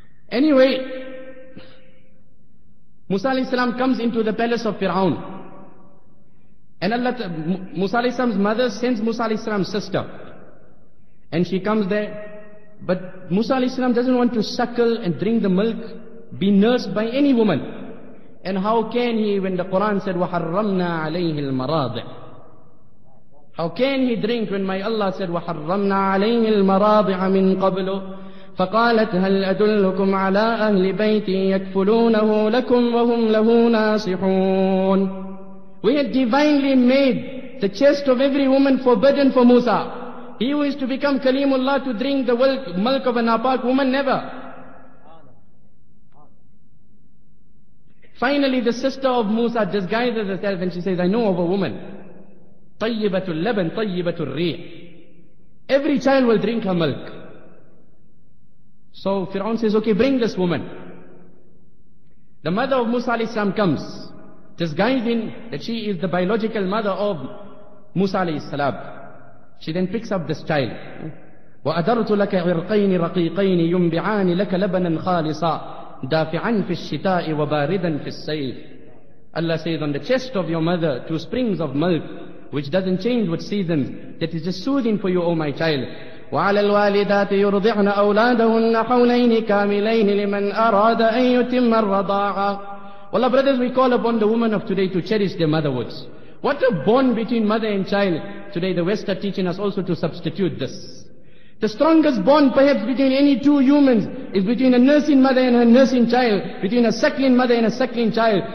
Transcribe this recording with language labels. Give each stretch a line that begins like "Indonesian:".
English: Anyway, Musa alayhi salam comes into the palace of Fir'aun. And Allah, Musa alayhi salam's mother sends Musa alayhi salam's sister. And she comes there. But Musa alayhi salam doesn't want to suckle and drink the milk, be nursed by any woman. And how can he, when the Quran said,
Arabic: وَحَرَّمْنَا عَلَيْهِ الْمَرَاضِعِ,
English: how can he drink when my Allah said,
Arabic: وَحَرَّمْنَا عَلَيْهِ الْمَرَاضِعَ مِنْ قَبْلُ, فَقَالَتْ هَلْ أَدُلُّكُمْ عَلَىٰ أَهْلِ بَيْتِي يَكْفُلُونَهُ لَكُمْ وَهُمْ لَهُ نَاصِحُونَ.
English: We had divinely made the chest of every woman forbidden for Musa. He who is to become Kalimullah to drink the milk of a napak woman, never. Finally, the sister of Musa disguises herself and she says, I know of a woman.
Arabic: طَيِّبَةُ اللَّبَن طَيِّبَةُ الرِّيحِ.
English: Every child will drink her milk. So Fir'aun says, okay, bring this woman. The mother of Musa alayhi salam comes, disguising that she is the biological mother of Musa alayhi salam. She then picks up this child.
Arabic: وَأَدَرْتُ لَكَ عِرْقَيْنِ رَقِيقَيْنِ يُنْبِعَانِ لَكَ لَبَنًا خَالِصًا دَافِعًا فِي الشِّتَاءِ وَبَارِدًا فِي السَّيْفِ.
English: Allah says, on the chest of your mother, two springs of milk, which doesn't change with seasons, that is just soothing for you, O my child.
Arabic: وعلى الوالدات يرضعن أولادهن حولين كاملين لمن أراد أن يتم الرضاعة.
English: Well, brothers, we call upon the woman of today to cherish their motherhoods. What a bond between mother and child. Today the West are teaching us also to substitute this. The strongest bond perhaps between any two humans is between a nursing mother and her nursing child, between a suckling mother and a suckling child.